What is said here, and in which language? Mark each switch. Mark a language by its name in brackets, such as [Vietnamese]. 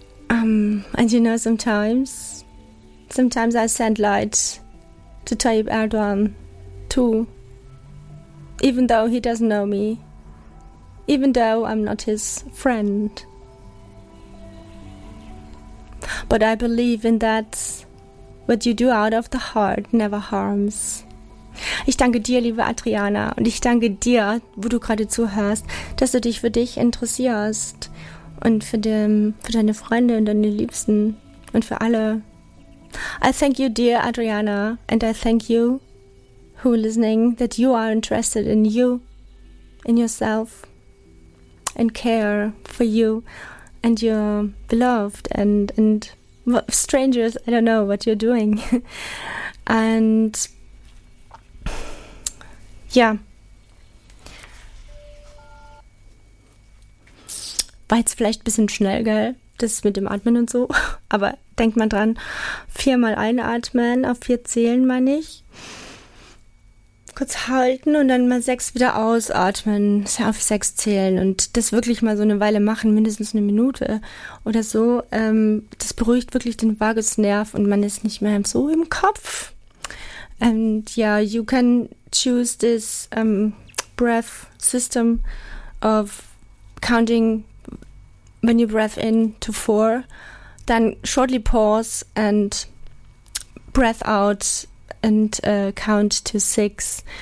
[English] And you know, sometimes I send light to Tayyip Erdogan too, even though he doesn't know me, even though I'm not his friend. But I believe in that what you do out of the heart never harms. [German] Ich danke dir, liebe Adriana, und ich danke dir, wo du gerade zuhörst, dass du dich für dich interessierst und für deine Freunde und deine Liebsten und für alle. [English] I thank you, dear Adriana, and I thank you, who listening, that you are interested in you, in yourself, and care for you and your beloved and strangers, I don't know what you're doing. And ja. [German] War jetzt vielleicht ein bisschen schnell, gell? Das mit dem Atmen und so. Aber denkt mal dran. 4-mal einatmen, auf 4 zählen, meine ich. Kurz halten und dann mal 6 wieder ausatmen. Auf 6 zählen. Und das wirklich mal so eine Weile machen, mindestens eine Minute oder so. Das beruhigt wirklich den Vagusnerv und man ist nicht mehr so im Kopf. [English] And yeah, you can choose this breath system of counting when you breathe in to 4, then shortly pause and breath out and count to 6.